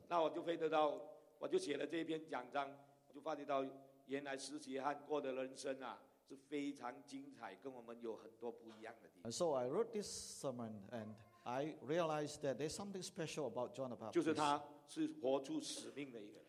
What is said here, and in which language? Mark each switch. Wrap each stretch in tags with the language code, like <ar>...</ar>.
<zh>那我就回得到，我就写了这篇讲章，我就发觉到原来施洗约翰过的人生啊。是非常精彩，跟我们有很多不一样的地方。</zh> <en>So I wrote this sermon, and I realized that there's something special about John the Baptist.</en> <zh>就是他是活出使命的一个人。</zh>